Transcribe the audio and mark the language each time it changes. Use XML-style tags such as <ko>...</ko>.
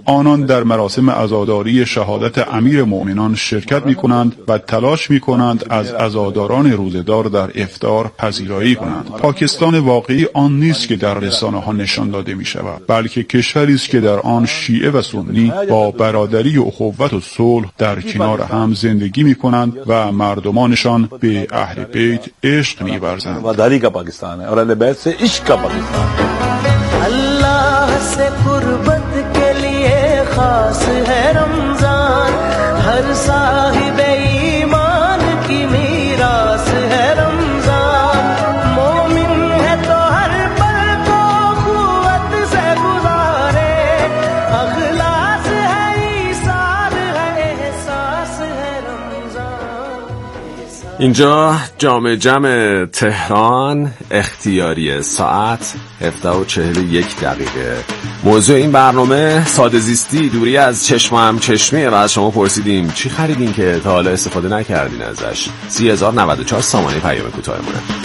<fa>آنان در مراسم عزاداری شهادت امیر مؤمنان شرکت می‌کنند و تلاش می‌کنند از عزاداران روزه‌دار در افطار پذیرایی کنند. پاکستان واقعی آن نیست که در رسانه‌ها نشان داده می‌شود، بلکه کشوری است که در آن شیعه و سنی با برادری و اخوت و صلح در کنار هم زندگی می کنند و مردمانشان به اهل بیت عشق می ورزند.</fa> <ur>وداری کا پاکستان ہے اور اہل بیت سے عشق کا پاکستان. اللہ سے قربت کے لیے خاص ہے رمضان، ہر صاحب ایمان کی میراث ہے رمضان، مومن ہے تو ہر پل کو قوت سے گزارے، اخلاص ہے ایثار ہے احساس ہے رمضان.</ur> <fa>اینجا جامع جمع تهران، اختیاری، ساعت 17:41. موضوع این برنامه ساده زیستی، دوری از چشم هم چشمیه و از شما پرسیدیم چی خریدین که تا حالا استفاده نکردین ازش. 3094 سامانه پیام کوتاه مونه.</fa>